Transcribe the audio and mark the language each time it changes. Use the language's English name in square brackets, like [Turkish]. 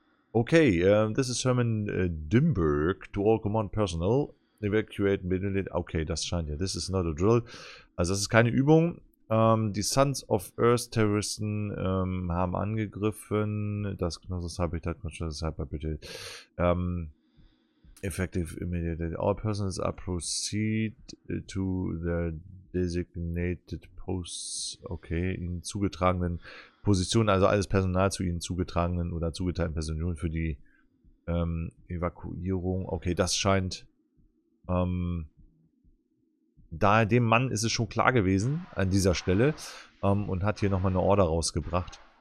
[English] Okay. This is Herman Dimberg to all command personnel. Evacuate, [German] okay, das scheint ja, [English] this is not a drill. [German] Also das ist keine Übung. Die Sons of Earth Terroristen haben angegriffen. Das Gnosis Habitat, Gnosis Habitat. [English] Effective immediately. All persons are proceed to their designated posts. [German] Okay, ihnen zugetragenen Positionen, also alles Personal zu ihnen zugetragenen oder zugeteilten Personen für die Evakuierung. Okay, das scheint. Da dem Mann ist es schon klar gewesen an dieser Stelle und hat hier nochmal eine Order rausgebracht.